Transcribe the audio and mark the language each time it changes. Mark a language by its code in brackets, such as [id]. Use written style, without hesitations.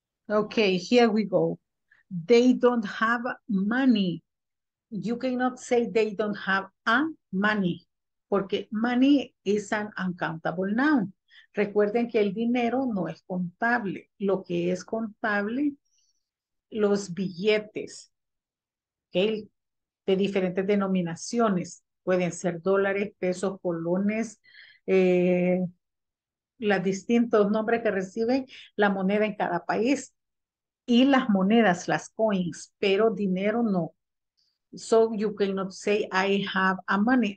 [en] Okay, here we go. They don't have money. You cannot say they don't have a money, [es] porque [en] money is an uncountable noun. [es] Recuerden que el dinero no es contable. Lo que es contable, los billetes, okay, de diferentes denominaciones. Pueden ser dólares, pesos, colones, los distintos nombres que reciben la moneda en cada país. Y las monedas, las coins, pero dinero no. [en] So you cannot say I have a money.